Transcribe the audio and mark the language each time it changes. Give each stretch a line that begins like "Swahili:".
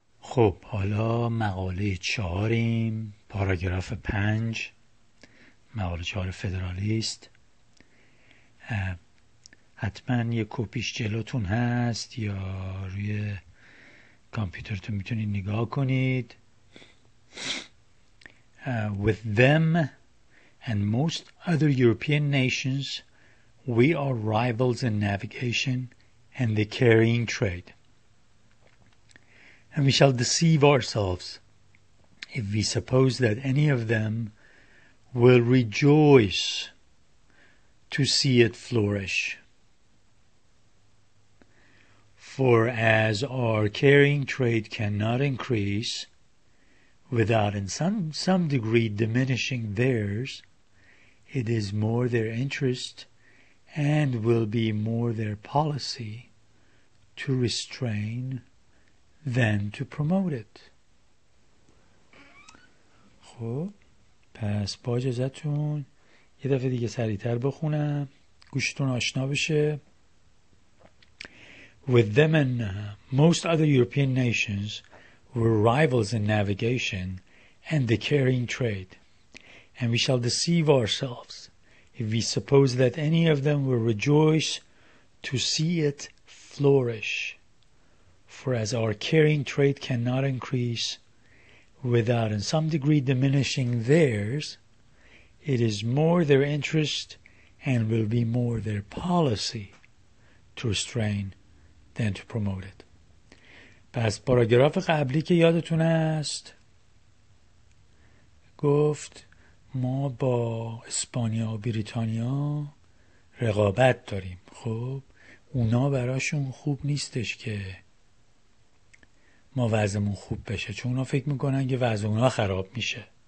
Persian: خب حالا مقاله چهاریم، پاراگراف پنج، مقاله چهار فدرالیست. حتما یه کپیش جلوتون هست یا روی کامپیوترتون میتونید نگاه کنید.
English: With them and most other European nations, we are rivals in navigation and the carrying trade. And we shall deceive ourselves if we suppose that any of them will rejoice to see it flourish. For as our carrying trade cannot increase without in some degree diminishing theirs, it is more their interest and will be more their policy to restrain than to promote it.
Persian: خب پس با اجازتون یه دفعه دیگه سریع‌تر بخونم گوشتون آشنا بشه.
English: With them and most other European nations were rivals in navigation and the carrying trade, and we shall deceive ourselves if we suppose that any of them will rejoice to see it flourish. For as our carrying trade cannot increase without in some degree diminishing theirs, it is more their interest and will be more their policy to restrain than to promote it.
Persian: پس پاراگراف قبلی که یادتون است گفت ما با اسپانیا و بریتانیا رقابت داریم، خب اونا براشون خوب نیستش که ما وضعمون خوب بشه، چون اونا فکر میکنن که وضع اونا خراب میشه.